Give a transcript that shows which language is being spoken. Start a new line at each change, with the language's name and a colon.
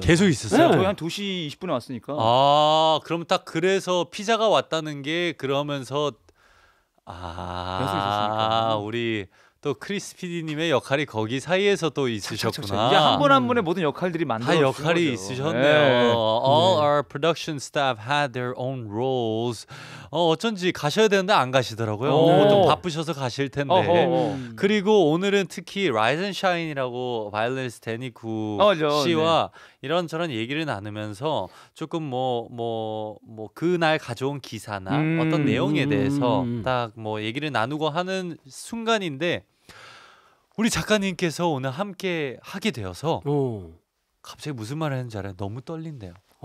Korean: 계속 있었어요. 네. 저희 한 2시 20분에 왔으니까 아 그럼 딱 그래서 피자가 왔다는 게 그러면서 아 우리 또 크리스 PD님의 역할이 거기 사이에서 또 있으셨구나. 이제 한 분 한 분의 모든 역할들이 만들어진 거죠. 다 역할이 있으셨네요. 네.
English: All our production staff had their own roles.
Korean: 어쩐지 가셔야 되는데 안 가시더라고요. 좀 바쁘셔서 가실 텐데. 어허. 그리고 오늘은 특히 Rise and Shine이라고 바이올리니스트 데니 구 씨와 네. 이런저런 얘기를 나누면서 조금 뭐 그날 가져온 기사나 어떤 내용에 대해서 딱 뭐 얘기를 나누고 하는 순간인데 우리 작가님께서 오늘 함께 하게 되어서 갑자기 무슨 말을 하는지 알아요? 너무 떨린대요.